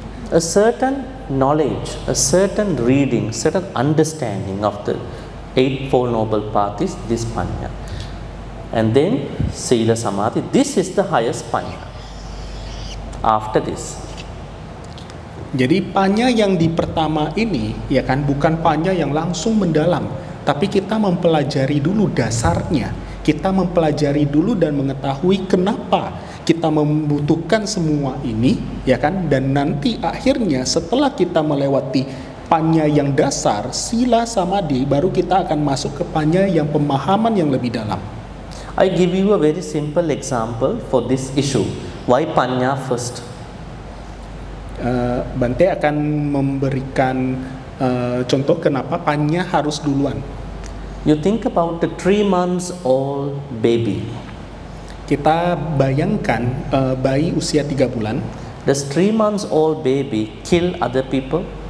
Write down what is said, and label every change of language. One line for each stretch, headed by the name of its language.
English: A certain knowledge, a certain reading, certain understanding of the Eightfold Noble Path is this panya, and then sila, samadhi. This is the highest panya. After this.
Indonesian: Jadi panya yang di pertama ini, ya kan, bukan panya yang langsung mendalam, tapi kita mempelajari dulu dasarnya. Kita mempelajari dulu dan mengetahui kenapa kita membutuhkan semua ini, ya kan, dan nanti akhirnya setelah kita melewati panya yang dasar, sila, samadhi, baru kita akan masuk ke panya yang pemahaman yang lebih dalam.
English: I give you a very simple example for this issue. Why panya first?
Indonesian: Bante akan memberikan contoh kenapa panya harus duluan.
English: You think about the 3-month-old baby.
Indonesian: Kita bayangkan bayi usia 3 bulan.
English: Does 3-month-old baby kill other people?